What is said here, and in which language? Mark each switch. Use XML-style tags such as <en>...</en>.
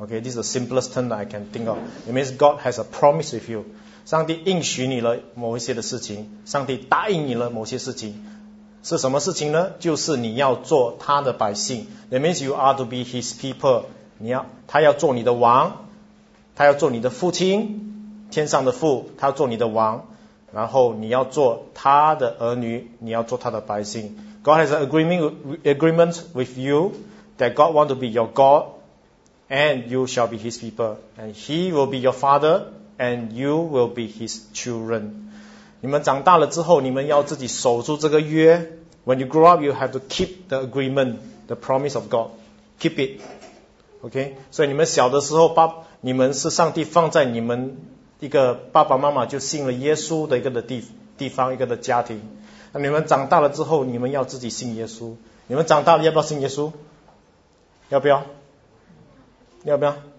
<en>Okay, this is the simplest term that I can think of. It means God has a promise with you.</en> <zh>上帝应许你了某一些的事情，上帝答应你了某些事情。是什么事情呢？就是你要做他的百姓。</zh> <en>It means you are to be his people.</en> <zh>他要做你的王，他要做你的父亲，天上的父，他要做你的王。然后你要做他的儿女，你要做他的百姓。</zh> <en>God has an agreement with you. That God want to be your God, and you shall be His people, and He will be your Father, and you will be His children.</en> <zh>你们长大了之后，你们要自己守住这个约。</zh> <en>When you grow up, you have to keep the agreement, the promise of God. Keep it. Okay.</en> <zh>所以你们小的时候，你们是上帝放在你们一个爸爸妈妈就信了耶稣的一个的地方，一个的家庭。那你们长大了之后，你们要自己信耶稣。你们长大了要不要信耶稣？要不要？要不要？</zh>